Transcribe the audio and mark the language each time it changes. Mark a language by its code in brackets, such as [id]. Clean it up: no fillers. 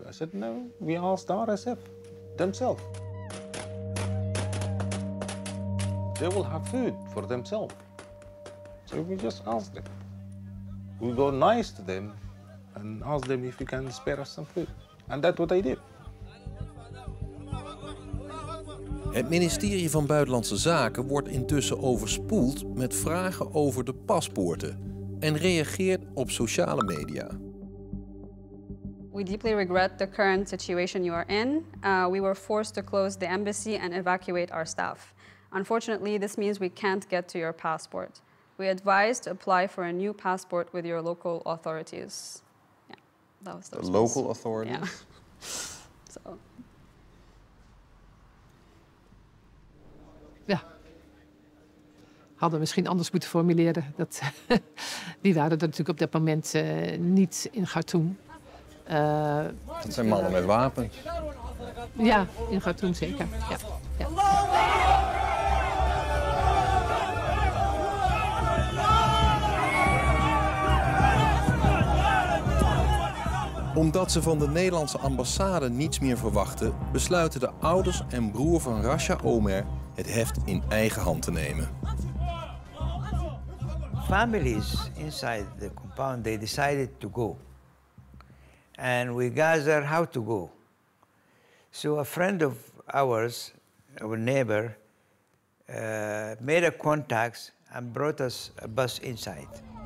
[en] I said, no, we asked the RSF themselves. They will have food for themselves. So we just asked them. We go nice to them and ask them if you can spare us some food. And that's what I did. [nl] Het ministerie van Buitenlandse Zaken wordt intussen overspoeld met vragen over de paspoorten en reageert op sociale media. [en] We deeply regret the current situation you are in. We were forced to close the embassy and evacuate our staff. Unfortunately, this means we can't get to your passport. We advise to apply for a new passport with your local authorities. Yeah, that was the local authorities. Yeah. So. [nl] Ja. Hadden we misschien anders moeten formuleren. Dat, die waren er natuurlijk op dat moment niet in Khartoum. Dat zijn mannen met wapens. Ja, in Khartoum zeker. Ja. Ja. Omdat ze van de Nederlandse ambassade niets meer verwachten, besluiten de ouders en broer van Rasha Omer het heft in eigen hand te nemen. [en] Families inside the compound, they decided to go. And we gathered how to go. So a friend of ours, our neighbor, made a contact and brought us a bus inside.